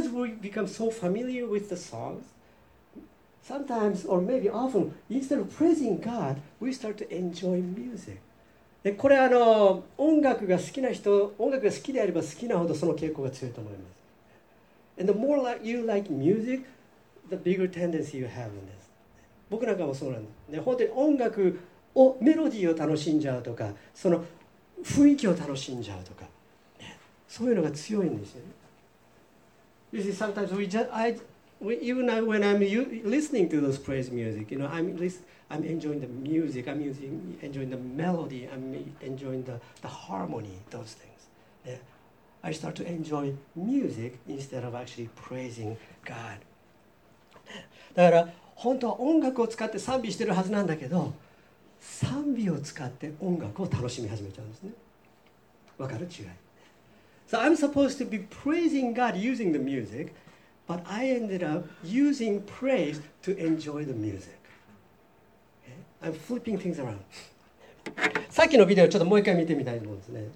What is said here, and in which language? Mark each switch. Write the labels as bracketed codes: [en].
[en] Because we become so familiar with the songs, sometimes or maybe often, instead of praising God, we start to enjoy music. [ja] で、これ音楽が好きな人、音楽が好きであれば好きなほどその傾向が強いと思います。 [en] And the more that you like music, the bigger tendency you have in this. [ja] 僕なんかもそうなんです。で、本当に音楽をメロディーを楽しんじゃうとか、その雰囲気を楽しんじゃうとか、ね、そういうのが強いんですよね。 [en] You see, sometimes we just, I, we, even when I'm listening to those praise music, you know, I'm enjoying the music, I'm using, enjoying the melody, I'm enjoying the harmony, those things. Yeah. I start to enjoy music instead of actually praising God. [ja] だから本当は音楽を使って賛美してるはずなんだけど、賛美を使って音楽を楽しみ始めちゃうんですね。わかる違い。 [en] So I'm supposed to be praising God using the music, but I ended up using praise to enjoy the music. Okay? I'm flipping things around. [ja] さっきのビデオちょっともう一回見てみたいと思うんですね。